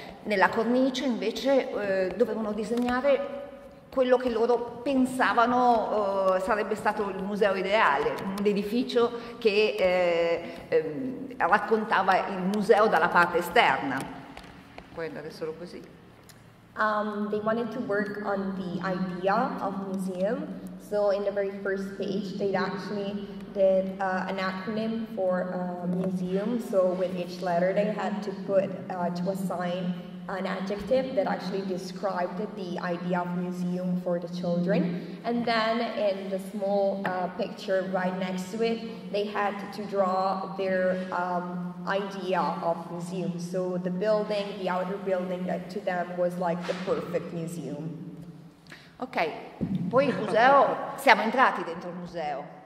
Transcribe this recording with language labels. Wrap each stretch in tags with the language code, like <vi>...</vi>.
<it>Nella cornice invece dovevano disegnare quello che loro pensavano sarebbe stato il museo ideale, un edificio che raccontava il museo dalla parte esterna. Puoi andare solo così.</it> <en>They wanted to work on the idea of museum. So in the very first page, they actually did an acronym for museum. So with each letter, they had to put to assign an adjective that actually described the idea of museum for the children. And then in the small picture right next to it, they had to draw their idea of museum. So the building, the outer building that to them was like the perfect museum.</en> <it>Ok, poi il museo, siamo entrati dentro il museo.</it>